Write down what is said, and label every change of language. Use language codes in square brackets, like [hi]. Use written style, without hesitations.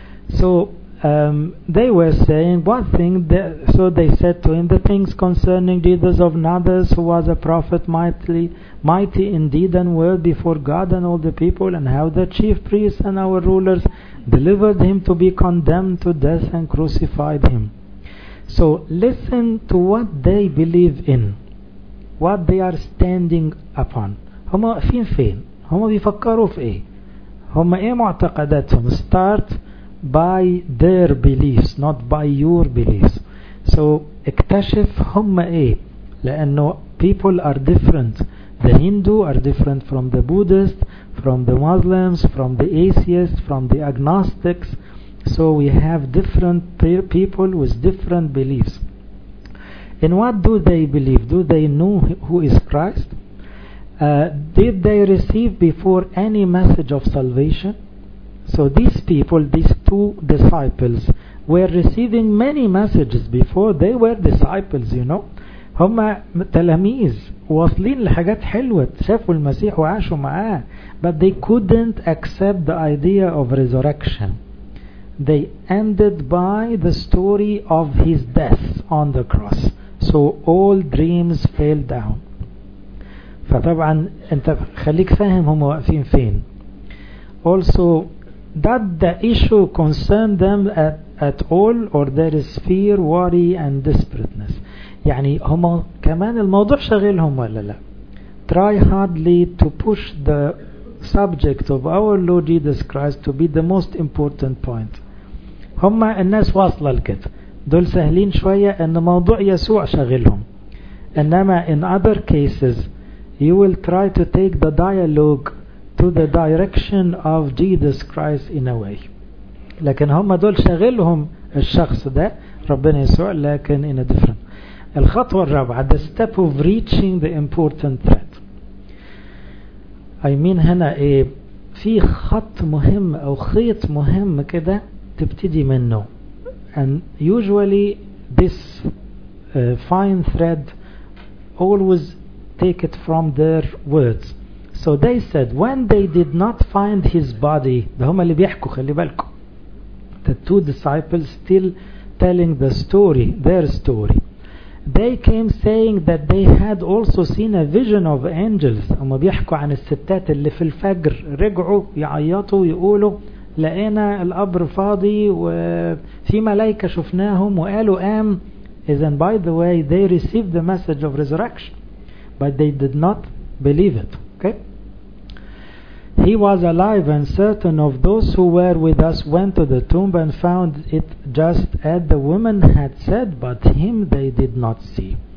[en] So they were saying one thing, that, so they said to him, the things concerning Jesus of Nazareth, who was a prophet, mighty in deed and word before God and all the people, and how the chief priests and our rulers delivered him to be condemned to death and crucified him. So listen to what they believe in, what they are standing upon. [ar] هما فين فين؟ هما بيفكروا في ايه؟ هما ايه معتقداتهم؟ [en] Start by their beliefs, not by your beliefs. So [ar] اكتشف هما ايه، لانه [en] people are different. The Hindu are different from the Buddhist, from the Muslims, from the atheists, from the agnostics. So we have different people with different beliefs. And what do they believe? Do they know who is Christ? Did they receive before any message of salvation? So these people, these two disciples, were receiving many messages before. They were disciples, you know. [ar] هما تلاميذ واصلين لحاجات حلوة، شافوا المسيح وعاشوا معاه. [en] But they couldn't accept the idea of resurrection. They ended by the story of his death on the cross. So all dreams fell down. [ar] فطبعا انت خليك فاهم هم واقفين فين. [en] Also that the issue concerned them at all, or there is fear, worry and desperateness. [ar] يعني هما كمان الموضوع شغلهم ولا لا. [en] Try hardly to push the subject of our Lord Jesus Christ to be the most important point. [ar] هما الناس واصلة لكده، دول سهلين شوية ان موضوع يسوع شغلهم. [en] انما in other cases you will try to take the dialogue to the direction of Jesus Christ in a way. [ar] لكن هما دول شغلهم الشخص ده ربنا يسوع، لكن [en] in a different. [ar] الخطوة الرابعة, [en] the step of reaching the important threat. I mean [ar] هنا ايه؟ في خط مهم او خيط مهم كده تبتدي منه. [en] And usually this fine thread always take it from their words. So they said, when they did not find his body, [ar] ده هما اللي بيحكوا خلي بالكم. [en] the two disciples still telling the story, their story. They came saying that they had also seen a vision of angels. [ar] هم بيحكوا عن الستات اللي في الفجر رجعوا يعيطوا ويقولوا لقينا القبر فاضي وفي ملائكة شفناهم وقالوا قام. [en] And by the way, they received the message of resurrection, but they did not believe it. Okay? He was alive, and certain of those who were with us went to the tomb and found it just as the woman had said, but him they did not see.